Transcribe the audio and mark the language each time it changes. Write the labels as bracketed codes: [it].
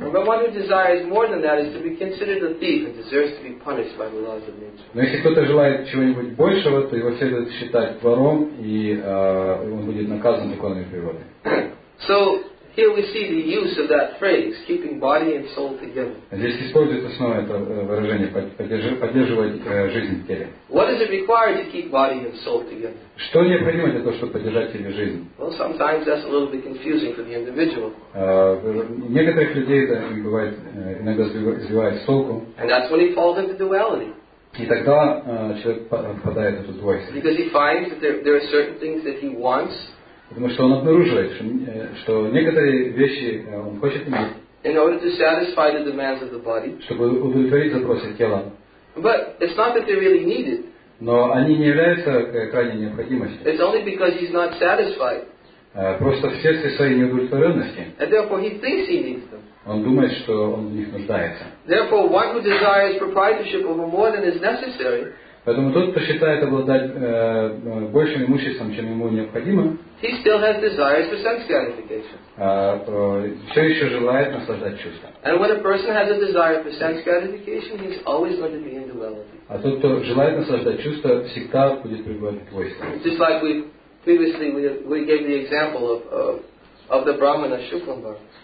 [en] But one who desires more than that is to be considered a thief and deserves to be punished by the laws of nature. [ru] Но если кто-то желает чего-нибудь большего, то его следует считать вором, и он будет наказан законами природы. [en] So here we see the use of that phrase, keeping body and soul together. [ru] Здесь используется снова это выражение, поддерживать жизнь в теле. [en] What is it required to keep body and soul together? [ru] Что необходимо для того, чтобы поддержать теле жизнь? [en] Well, sometimes that's a little bit confusing for the individual. [ru] Некоторых людей это бывает, иногда сбивает с толку. [en] And that's when he falls into duality. [ru] И тогда человек попадает в эту двойственность. [en] Because he finds that there are certain things that he wants. [ru] Потому что он обнаруживает, что некоторые вещи он хочет иметь. [en] In order to satisfy the demands of the body. [ru] Чтобы удовлетворить запросы тела. [en] But it's not that they really need it. [ru] Но они не являются крайней необходимостью. [en] It's only because he's not satisfied. [ru] Просто в сердце своей неудовлетворенности. [en] And therefore he thinks he needs them. [ru] Он думает, что он в них нуждается. [en] Therefore, one who desires proprietorship over more than is necessary. [ru] Поэтому тот, кто считает обладать большим имуществом, чем ему необходимо, [en] he still has desires for sense gratification. [ru] Все еще желает наслаждать чувством. [en] And when a person has a desire for sense gratification, he's always going to be in duality. [ru] А тот, кто желает наслаждать чувством, всегда будет пребывать в двойственности. [en] Just like we previously we gave the example of the Brahmana Shukambara.